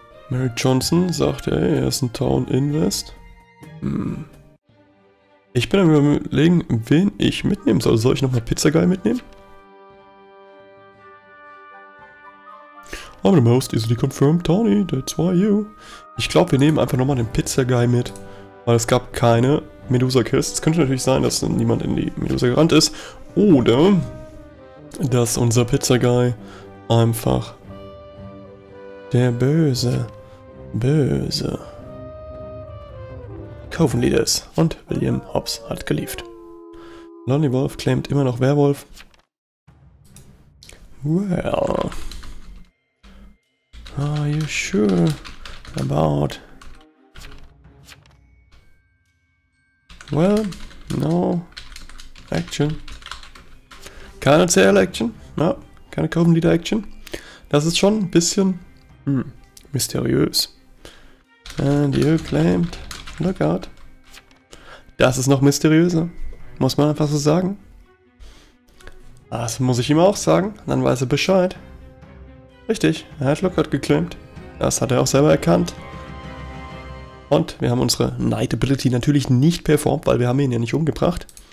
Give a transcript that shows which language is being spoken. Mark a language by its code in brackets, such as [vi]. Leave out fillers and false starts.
[de] Mary Johnson sagt, ey, er ist ein Town Invest. Ich bin am überlegen, wen ich mitnehmen soll. Soll ich nochmal Pizza Guy mitnehmen? [en] I'm the most easily confirmed, Tony, that's why you. [de] Ich glaube, wir nehmen einfach nochmal den Pizza Guy mit, weil es gab keine Medusa Kills. Es könnte natürlich sein, dass niemand in die Medusa gerannt ist. Oder dass unser Pizza Guy einfach der böse Coven Leader ist. Und William Hobbs hat gelieft. Lonely Wolf claimt immer noch Werwolf. [en] Well. Are you sure about? Well, no action. Keine CL-Action? [de] No, keine Coven Leader Action. Das ist schon ein bisschen mysteriös. [en] And you claimed Lookout. [de] Das ist noch mysteriöser. Muss man einfach so sagen. Das muss ich ihm auch sagen, dann weiß er Bescheid. Richtig, er hat Lookout geclaimed. Das hat er auch selber erkannt. Und wir haben unsere Night Ability natürlich nicht performt, weil wir haben ihn ja nicht umgebracht.